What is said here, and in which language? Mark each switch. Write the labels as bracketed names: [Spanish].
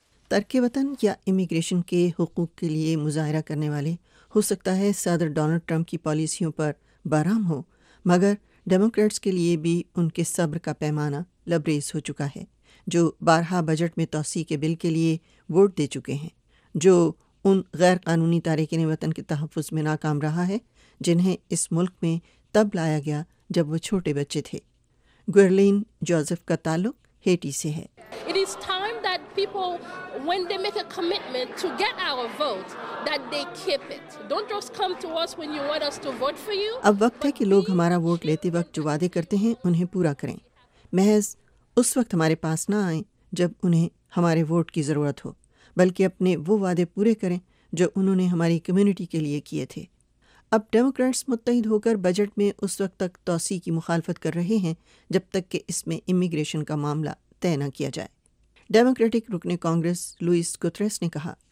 [Urdu] ترک وطن یا امیگریشن کے حقوق کے لیے مظاہرہ کرنے والے ہو سکتا ہے صدر ڈونلڈ ٹرمپ کی پالیسیوں پر برہم ہو، مگر ڈیموکریٹس کے لیے بھی ان کے صبر کا پیمانہ لبریز ہو چکا ہے جو بارہا بجٹ میں توسیع کے بل کے لیے ووٹ دے چکے ہیں، جو ان غیر قانونی تارکین وطن کے تحفظ میں ناکام رہا ہے جنہیں اس ملک میں تب لایا گیا جب وہ چھوٹے بچے تھے۔ گورلین جوزف کا تعلق ہیٹی سے ہے۔ [English] It is time that people, when they make a commitment to get our vote, that they keep it. Don't just come to us when you want us to vote for you. [Urdu] اب وقت ہے کہ لوگ ہمارا vote لیتے وقت جو وعدے کرتے ہیں انہیں پورا کریں، محض اس وقت ہمارے پاس نہ آئیں جب انہیں ہمارے ووٹ کی ضرورت ہو، بلکہ اپنے وہ وعدے پورے کریں جو انہوں نے ہماری کمیونٹی کے لیے کیے تھے۔ اب ڈیموکریٹس متحد ہو کر بجٹ میں اس وقت تک توسیع کی مخالفت کر رہے ہیں جب تک کہ اس میں امیگریشن کا معاملہ طے نہ کیا جائے۔ ڈیموکریٹک رکن کانگریس لوئس گوترس نے کہا،